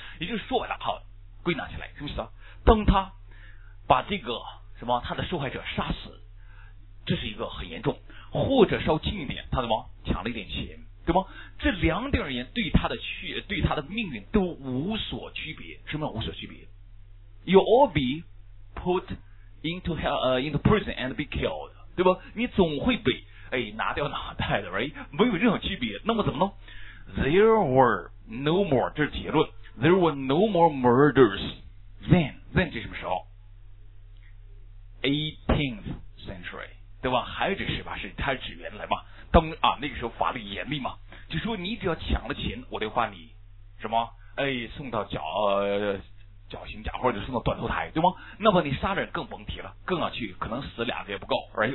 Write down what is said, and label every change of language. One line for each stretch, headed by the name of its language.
Chinese: 也就是说白了，好，归纳起来，什么意思啊？当他把这个什么他的受害者杀死，这是一个很严重，或者稍近一点，他什么抢了一点钱，对吗？这两点而言，对他的命运都无所区别。什么无所区别
English: ？You all be put into hell, into prison and be killed.
Chinese: 对吧？你总会被拿掉脑袋的 ，
English: right？
Chinese: 没有任何区别。那么怎么弄 ？
English: There were no more，
Chinese: 这是结论。
English: There were no more murders then
Chinese: 这什么时候
English: ？18th century，
Chinese: 对吧？还指18世纪，它是指原来嘛？当啊那个时候法律严厉嘛，就说你只要抢了钱，我得把你什么送到绞刑架或者送到断头台，对吗？那么你杀人更甭提了，更要去，可能死两个也不够 ，
English: right？